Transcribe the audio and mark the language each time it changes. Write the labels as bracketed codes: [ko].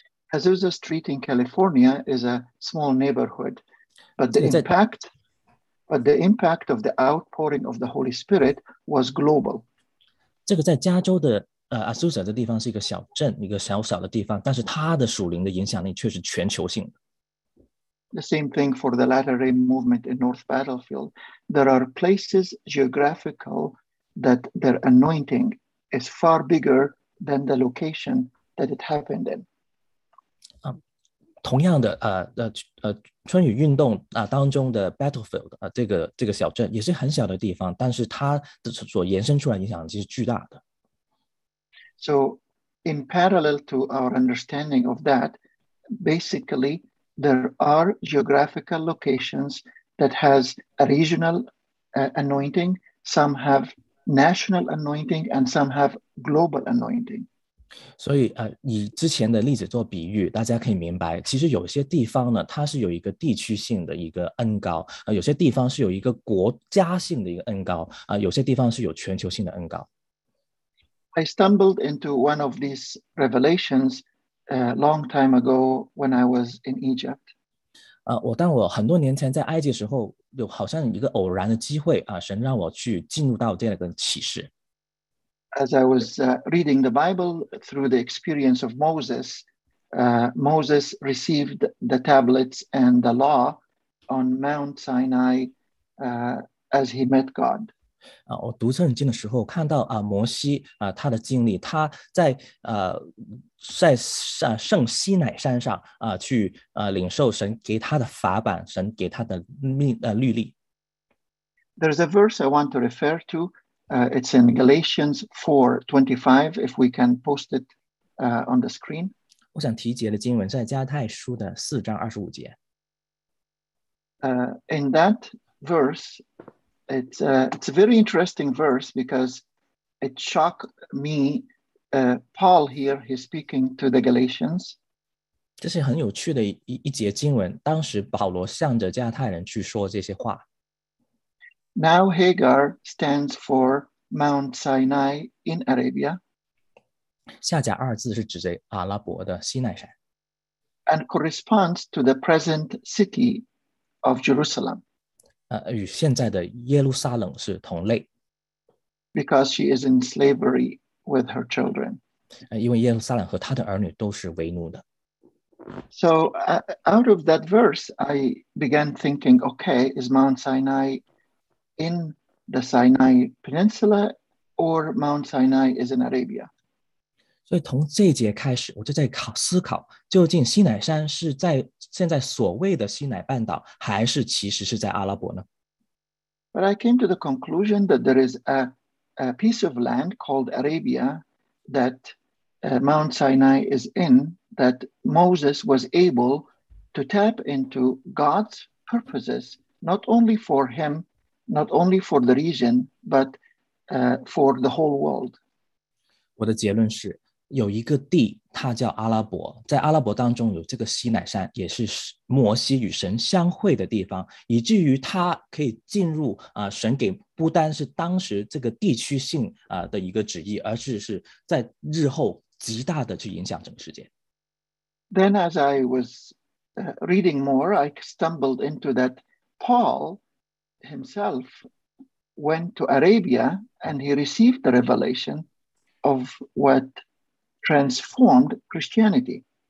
[en] Azusa Street in California is a small neighborhood, but the impact of the outpouring of the Holy Spirit was global. [zh] 这个在加州的。 Azusa 的地方是一个小镇，一个小小的地方，但是它的属灵的影响力却是全球性的。 [en] The same thing for the Latter Rain movement in North Battlefield. There are places geographical that their anointing is far bigger than the location that it happened in. [zh] 同样的春雨运动当中的 battlefield 这个小镇也是很小的地方，但是它的所延伸出来影响其实巨大的。 [en] So in parallel to our understanding of that, basically there are geographical locations that has a regional anointing, some have national anointing, and some have global anointing. [zh] 所以以之前的例子做比喻，大家可以明白，其实有些地方呢，它是有一个地区性的一个恩膏，有些地方是有一个国家性的一个恩膏，有些地方是有全球性的恩膏。 [en] I stumbled into one of these revelations a long time ago when I was in Egypt. [zh] 当我很多年前在埃及时候，有好像一个偶然的机会神让我去进入到这样的启示。 [en] As I was reading the Bible through the experience of Moses, Moses received the tablets and the law on Mount Sinai as he met God. [zh] 我读圣经的时候看到摩西他的经历，他在圣西乃山上去领受神给他的法版，神给他的律例。 [en] There's a verse I want to refer to. It's in Galatians 4:25, if we can post it on the screen. [zh] 我想提及的经文在加太书的4:25. [en] In that verse, it's a very interesting verse because it shocked me. Paul here, he's speaking to the Galatians. [zh] 这是很有趣的一节经文，当时保罗向着加太人去说这些话。 [en] Now Hagar stands for Mount Sinai in Arabia. [zh] 夏甲二字是指着阿拉伯的西奈山。 [en] And corresponds to the present city of Jerusalem. [zh] 与现在的耶路撒冷是同类。 [en] Because she is in slavery with her children. [zh] 因为耶路撒冷和她的儿女都是为奴的。 [en] So out of that verse, I began thinking, okay, is Mount Sinai in the Sinai Peninsula or Mount Sinai is in Arabia? [zh] 所以从这节开始我就在思考，究竟西乃山是在现在所谓的西乃半岛，还是其实是在阿拉伯呢？ [en] But I came to the conclusion that there is a piece of land called Arabia that Mount Sinai is in, that Moses was able to tap into God's purposes, not only for him, not only for the region, but for the whole world. [zh] 我的结论是，有一个地，它叫阿拉伯，在阿拉伯当中有这个西乃山，也是摩西与神相会的地方，以至于他可以进入神给不单是当时这个地区性的一个旨意，而是在日后极大的去影响整个世界。 [en] Then as I was reading more, I stumbled into that Paul himself went to Arabia and he received the revelation of what transformed Christianity.